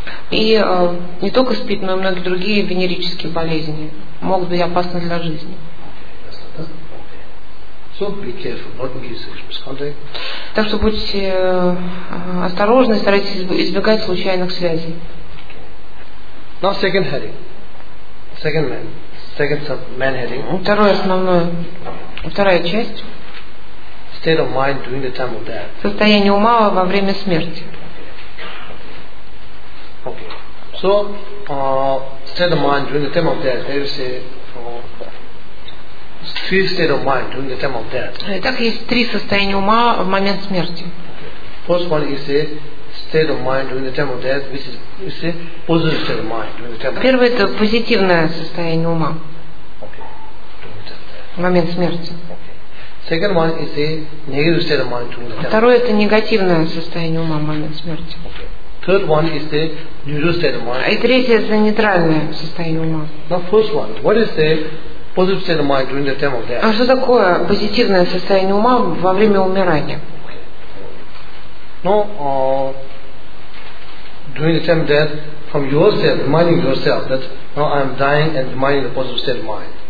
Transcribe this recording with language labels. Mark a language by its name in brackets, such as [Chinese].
[Russian] И не только СПИД, но и многие другие венерические болезни могут быть опасны для жизни. [English] So be careful, not engage in sexual misconduct. [Russian] Так что будьте осторожны, старайтесь избегать случайных связей. [English] Now second heading. Second man. Second sub man heading. [Russian] Второе основное. Вторая часть. [English] State of mind during the time of death. [Russian] Состояние ума во время смерти. [English] Okay. So state of mind during the time of death, there is a three state of mind during the time of death. [Russian] Итак, есть три состояния ума в момент смерти. [English] First one is a state of mind during the time of death, which is, you see, positive state of mind during the time of death. [Russian] Первое — это позитивное состояние ума. [English] Okay. [Russian] В момент смерти. [English] Okay. Second one is a negative state of mind during the time. [Russian] Второе — это негативное состояние ума в момент смерти. [English] Okay. Third one is a neutral state of mind. [Russian] И третье — это нейтральное состояние ума. [English] Now first one, what is the positive state of mind during the time of death? [Russian] А что такое позитивное состояние ума во время умирания? [English] No, during the time of death, from yourself, reminding yourself that now I am dying and reminding the positive state of mind.